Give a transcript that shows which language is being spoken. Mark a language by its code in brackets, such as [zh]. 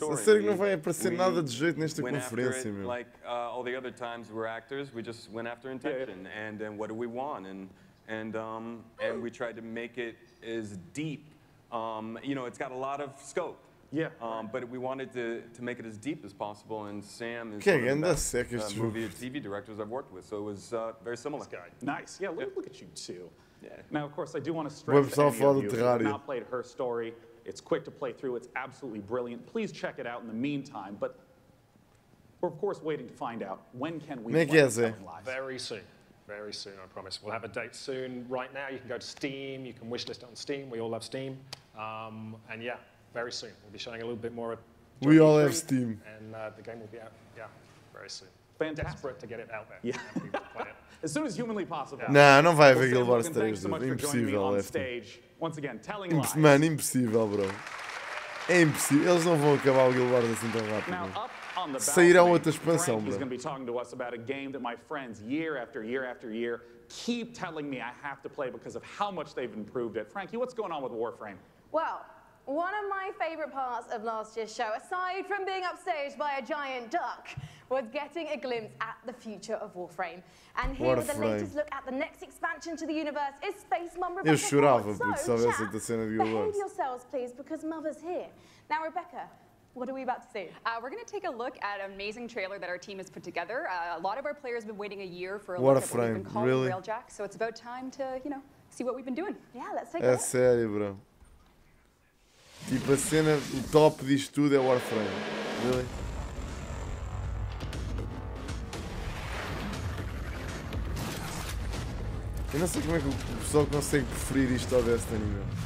[pt] A série não vai aparecer nada de jeito nesta conferência, meu. [en] Like all the other times we're actors, we just went after intention. Yeah. And then what do we want? And we tried to make it as deep. You know, it's got a lot of scope. Yeah. But we wanted to make it as deep as possible. And Sam is Movie and TV directors I've worked with. So it was very similar. This guy. Nice. Yeah, look at you two. Now, of course, I do want to stress that any of you who have not played Her Story, it's quick to play through, it's absolutely brilliant. Please check it out in the meantime, but we're, of course, waiting to find out when can we play Telling Lies. Very soon, I promise. We'll have a date soon. Right now, you can go to Steam, you can wishlist it on Steam, we all love Steam. And yeah, very soon, we'll be showing a little bit more. We all have Steam. And the game will be out, very soon. Fantastic. Desperate to get it out there. Yeah. As soon as humanly possible. [pt] Nah, não vai haver Guild Wars 3, [en] so [pt] impossível, [en] once again, Telling Lies. [pt] Mano, impossível, bro. É impossível. Eles não vão acabar o Guild Wars assim tão rápido. Sairá outra expansão, bro. [en] He's going to be talking to us about a game that my friends, year after year after year, keep telling me I have to play because of how much they've improved it. Frankie, what's going on with Warframe? Well, one of my favorite parts of last year's show, aside from being upstaged by a giant duck, was getting a glimpse at the future of Warframe. And here with the latest look at the next expansion to the universe is Space Mum Rebecca. [pt] Eu chorava, [en] so, chat, the scene of your behave words. Yourselves, please, because Mother's here. Now, Rebecca, what are we about to see? We're going to take a look at an amazing trailer that our team has put together. A lot of our players have been waiting a year for a look at what we've been calling Railjack, so it's about time to, you know, see what we've been doing. Yeah, let's take a look. [pt] É sério, bro. Tipo, a cena, o top disto tudo é Warframe. [en] Really? [pt] Eu não sei como é que o pessoal consegue preferir isto ao Destiny, meu.